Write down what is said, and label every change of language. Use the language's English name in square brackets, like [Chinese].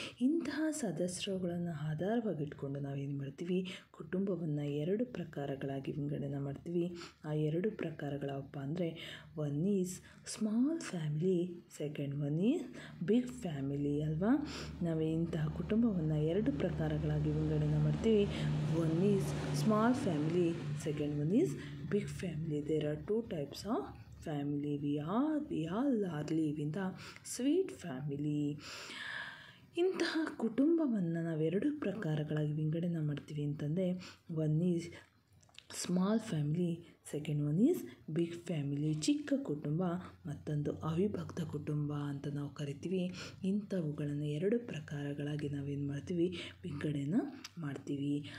[Kannada] ಇಂತಹ ಸದಸ್ಯರುಗಳನ್ನು ಆಧಾರವಾಗಿಟ್ಕೊಂಡು ನಾವೇನು ಮಾಡ್ತೀವಿ, ಕುಟುಂಬವನ್ನು 2 ಪ್ರಕಾರಗಳಾಗಿ ವಿಂಗಡಣೆ ಮಾಡ್ತೀವಿ. ಆ 2 ಪ್ರಕಾರಗಳಪ್ಪ ಅಂದರೆ, [English] One is small family, second one is big family ಅಲ್ವಾ. [Kannada] ನಾವು ಇಂತಹ ಕುಟುಂಬವನ್ನು 2 ಪ್ರಕಾರಗಳಾಗಿ ವಿಂಗಡಣೆ ಮಾಡ್ತೀವಿ. [English] One is small family, second one is big family. There are 2 types of family. We all are living the sweet family. [Kannada] ಇಂತಹ ಕುಟುಂಬವನ್ನು ನಾವು 2 ಪ್ರಕಾರಗಳಾಗಿ ವಿಂಗಡಣೆ ಮಾಡ್ತೀವಿ ಅಂತಂದರೆ, [English] one is small family, second one is big family, [Kannada] ಚಿಕ್ಕ ಕುಟುಂಬ, ಮತ್ತೊಂದು ಅವಿಭಕ್ತ ಕುಟುಂಬ ಅಂತ ನಾವು ಕರಿತೀವಿ. ಇಂಥವುಗಳನ್ನು 2 ಪ್ರಕಾರಗಳಾಗಿ ನಾವೇನು ಮಾಡ್ತೀವಿ, ವಿಂಗಡಣೆ ಮಾಡ್ತೀವಿ.